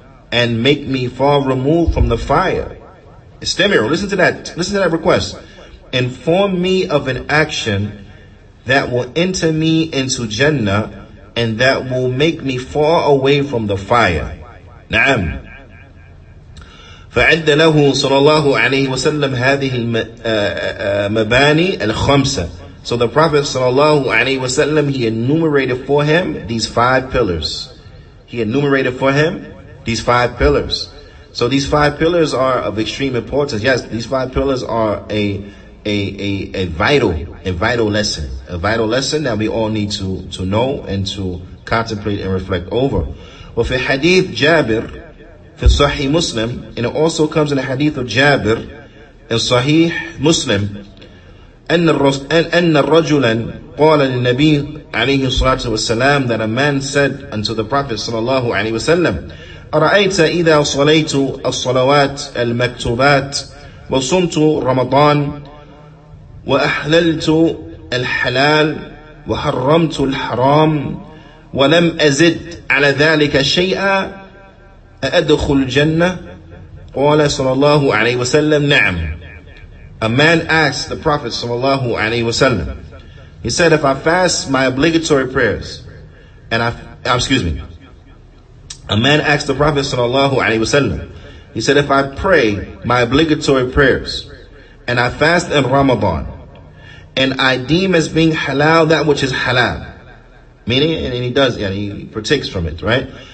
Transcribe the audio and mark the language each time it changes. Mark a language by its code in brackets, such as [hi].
[en] And make me far removed from the fire. Istamir, listen to that. Listen to that request. Inform me of an action that will enter me into Jannah and that will make me far away from the fire. Na'am. [ar] فعد له صلى الله عليه وسلم هذه المباني الخمسة. [en] So the Prophet صلى الله عليه وسلم, he enumerated for him these five pillars. He enumerated for him these five pillars. So these five pillars are of extreme importance. Yes, these five pillars are a vital lesson that we all need to know and to contemplate and reflect over. [ar] وفي حديث جابر في صحيح مسلم, [en] and it also comes in the hadith of Jabir in Sahih Muslim, [ar] أن الرجل قال للنبي عليه الصلاة والسلام, [en] that a man said unto the Prophet [ar] صلى الله عليه وسلم, أرأيت إذا صليت الصلوات المكتوبات وصمت رمضان وأحللت الحلال وحرمت الحرام ولم أزد على ذلك شيئا أأدخل الجنة؟ قال صلى الله عليه وسلم نعم. [en] A man asked the Prophet صلى الله عليه وسلم, he said, if I fast my obligatory prayers and a man asked the Prophet صلى الله عليه وسلم, he said, if I pray my obligatory prayers and I fast in Ramadan and I deem as being halal that which is halal, meaning, and he does, yeah, he partakes from it, right?